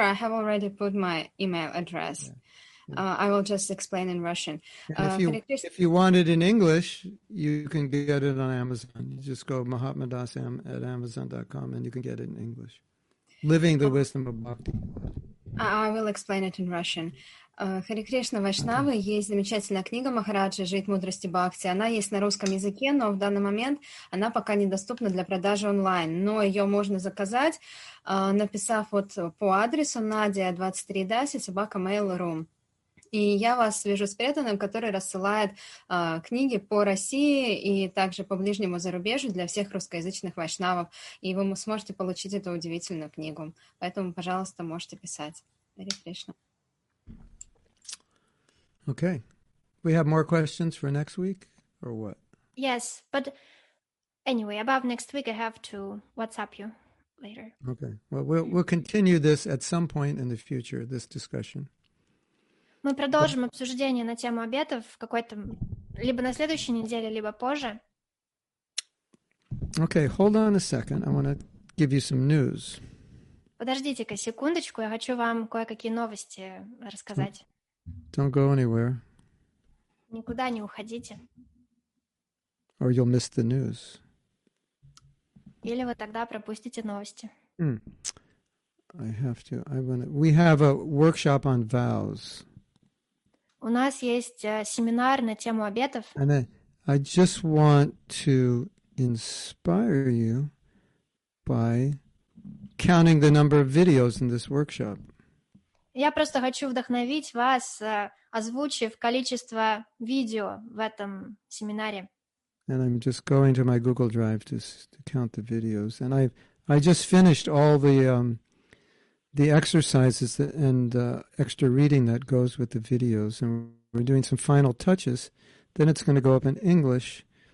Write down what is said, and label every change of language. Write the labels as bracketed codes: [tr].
[en] I have already put my email address. Yeah. I will just explain in Russian. If you want it in English, you can get it on Amazon. You just go mahatmadasam@amazon.com and you can get it in English. Living the Wisdom of Bhakti. I will explain it in Russian. [ru] Харе Кришна, Вайшнавы, есть замечательная книга Махараджа «Жить мудрости Бхакти». Она есть на русском языке, но в данный момент она пока недоступна для продажи онлайн. Но ее можно заказать, написав вот по адресу nadia23dasi@mail.ru. И я вас свяжу с преданным, который рассылает книги по России и также по ближнему зарубежью для всех русскоязычных вайшнавов. И вы сможете получить эту удивительную книгу. Поэтому, пожалуйста, можете писать. Харе Кришна. [en] Okay. We have more questions for next week or what? Yes, but anyway, about next week, I have to WhatsApp you later. Okay. Well, we'll continue this at some point in the future, this discussion. [ru] Мы продолжим обсуждение на тему обетов в какой-то Либо на следующей неделе, либо позже. [en] Okay, hold on a second. I want to give you some news. [ru] Подождите-ка секундочку, я хочу вам кое-какие новости рассказать. [en] Don't go anywhere. [ru] Никуда не уходите. [en] Or you'll miss the news. [ru] Или вы тогда пропустите новости. [en] We have a workshop on vows. [ru] У нас есть семинар на тему обетов. [en] And I just want to inspire you by counting the number of videos in this workshop. [ru] Я просто хочу вдохновить вас, озвучив количество видео в этом семинаре. [en] And I'm just going to my Google Drive to count the videos. And I just finished all the exercises and extra reading that goes with the videos. And we're doing some final touches. Then it's going to go up in English.